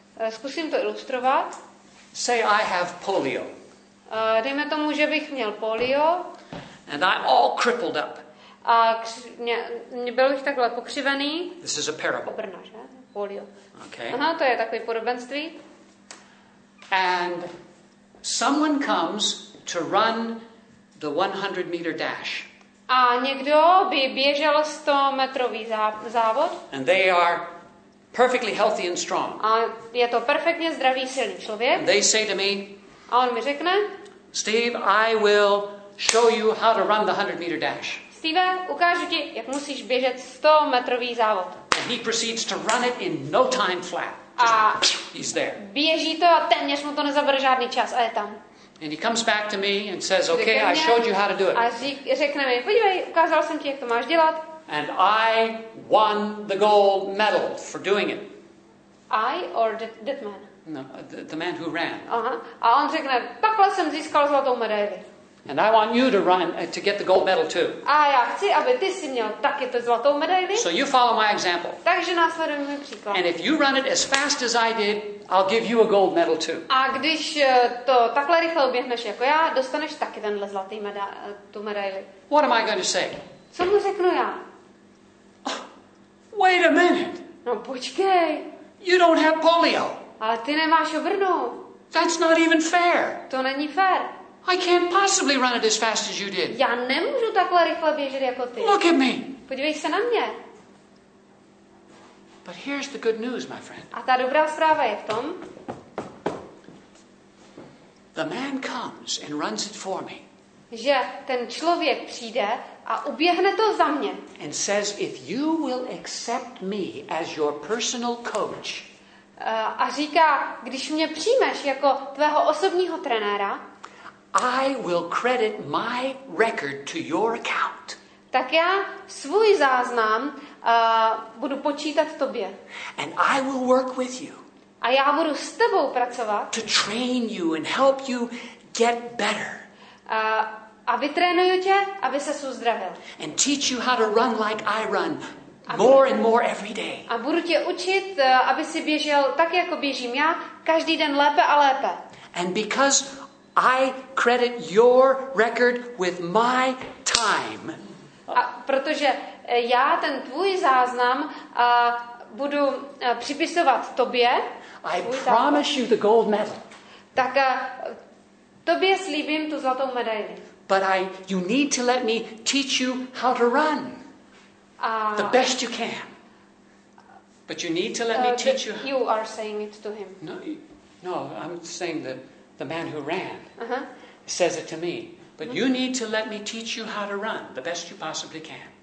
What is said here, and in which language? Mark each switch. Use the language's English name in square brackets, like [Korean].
[Czech] Zkusím to ilustrovat. [English] Say I have polio. [Czech] Dejme tomu, že bych měl polio. [English] And I'm all crippled up. [Czech] A byl bych takhle pokřivený. [English] This is a parable. [Czech] Brna, že? Polio. [English] Okay. [Czech] Aha, to je takové podobenství. [English] And someone comes to run the 100 meter dash. [Czech] A někdo by běžel 100 metrový závod. [English] And they are perfectly healthy and strong. [Czech] A je to perfektně zdravý silný člověk. [English] And they say to me, [Czech] a on mi řekne, [English] Steve, I will show you how to run the 100 meter dash. [Czech] Steve, ukážu ti, jak musíš běžet 100 metrový závod. [English] And he proceeds to run it in no time flat. He's there. [Czech] Běží to a téměř mu to nezabere žádný čas a je tam. [English] And he comes back to me and says, "Okay, I showed you how to do it." [Czech] A řekne mi, podívej, ukázal jsem ti, jak to máš dělat. [English] And I won the gold medal for doing it. I or that man? No, the man who ran. [Czech] Aha. A on řekne, takhle jsem získal zlatou medaili. [English] And I want you to run to get the gold medal too. [Czech] A já chci, aby ty jsi měl taky tu zlatou medaili. [English] So you follow my example. [Czech] Takže následuj můj příklad. [English] And if you run it as fast as I did, I'll give you a gold medal too. [Czech] A když to takhle rychle oběhneš jako já, dostaneš taky tenhle zlatý tu medaili. [English] What am I going to say? [Czech] Co mu řeknu já? [English] Oh, wait a minute. [Czech] No počkej. [English] You don't have polio. [Czech] Ale ty nemáš obrnu. [English] That's not even fair. [Czech] To není fair. [English] I can't possibly run it as fast as you did. [Czech] Já nemůžu takhle rychle běžet jako ty. [English] Look at me. [Czech] Podívej se na mě. [English] But here's the good news, my friend. [Czech] A ta dobrá zpráva je v tom. [English] The man comes and runs it for me. [Czech] Že ten člověk přijde a uběhne to za mě. [English] And says, if you will accept me as your personal coach. [Czech] A říká, když mě přijmeš jako tvého osobního trenéra, [English] I will credit my record to your account. [Czech] Tak já svůj záznam budu počítat tobě. [English] And I will work with you. [Czech] A já budu s tebou pracovat. [English] To train you and help you get better. [Czech] A vytrénuju tě, aby ses uzdravil. [English] And teach you how to run like I run. More and more every day. [Czech] A budu tě učit, aby si běžel tak jako běžím já, každý den lépe a lépe. And because I credit your record with my time. A protože já ten tvůj záznam budu připisovat tobě. [English] I promise you the gold medal. [Czech] Tak tobě slíbím tu zlatou medaili. [English] But you need to let me teach you how to run. The best you can. But you need to let me teach you. You are saying it to him. No, I'm saying that the man who ran says it to me. But you need to let me teach you how to run the best you possibly can.